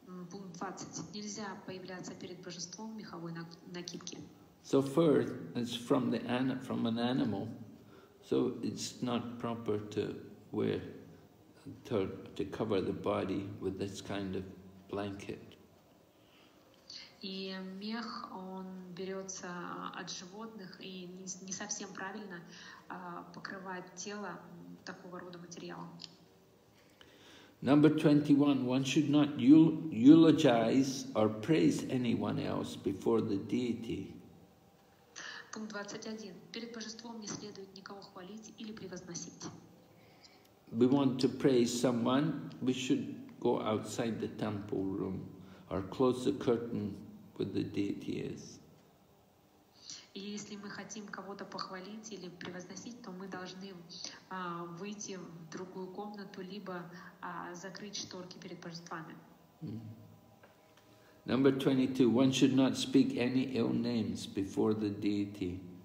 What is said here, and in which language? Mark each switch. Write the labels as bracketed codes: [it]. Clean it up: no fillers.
[ru] Пункт 20. Нельзя появляться перед божеством в меховой накидке. [en] So fur is from an animal. So it's not proper to wear, to cover the body with this kind of blanket. [ru] И мех, он берется от животных, и не совсем правильно покрывать тело такого рода материалом. [en] Number 21. One should not eulogize or praise anyone else before the deity. [ru] Пункт 21. Перед божеством не следует никого хвалить или превозносить. [en] We want to praise someone, we should go outside the temple room or close the curtain where the deity is. [ru] И если мы хотим кого-то похвалить или превозносить, то мы должны выйти в другую комнату либо закрыть шторки перед божествами. [en] Number 22. One should not speak any ill names before the deity.